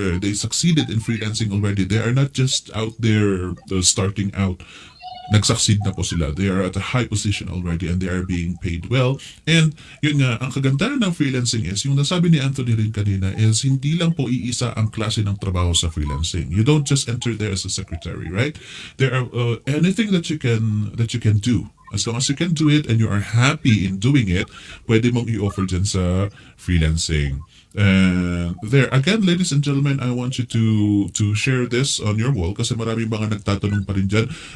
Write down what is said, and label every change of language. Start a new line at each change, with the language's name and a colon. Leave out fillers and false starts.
English: They succeeded in freelancing already. They are not just out there starting out.
Filipino: Nag-succeed na po sila.
English: They are at a high position already and they are being paid well.
Filipino: And yun nga, ang kagandahan ng freelancing is, yung nasabi ni Anthony rin kanina is, hindi lang po iisa ang klase ng trabaho sa freelancing.
English: You don't just enter there as a secretary, right? There are anything that you can do. As long as you can do it and you are happy in doing it,
Filipino: pwede mong i-offer dyan sa freelancing.
English: There again, ladies and gentlemen, I want you to share this on your wall
Filipino: kasi marami mga nagtatanong pa rin dyan.